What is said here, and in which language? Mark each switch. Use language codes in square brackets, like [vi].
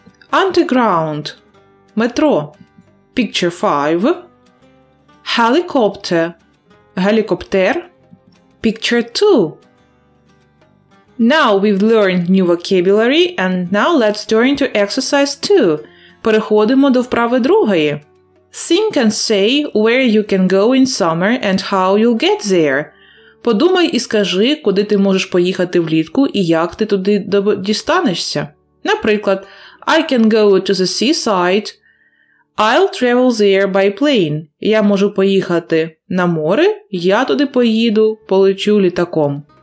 [en] Underground – метро. Picture 5. Helicopter – гелікоптер. Picture 2. Now we've learned new vocabulary and now let's turn to exercise 2. [uk] Переходимо до вправи другої. [en] Think and say where you can go in summer and how you'll get there. [uk] Подумай і скажи, куди ти можеш поїхати влітку і як ти туди дістанешся. Наприклад, [en] I can go to the seaside. I'll travel there by plane. [uk] Я можу поїхати на море, я туди поїду, полечу літаком.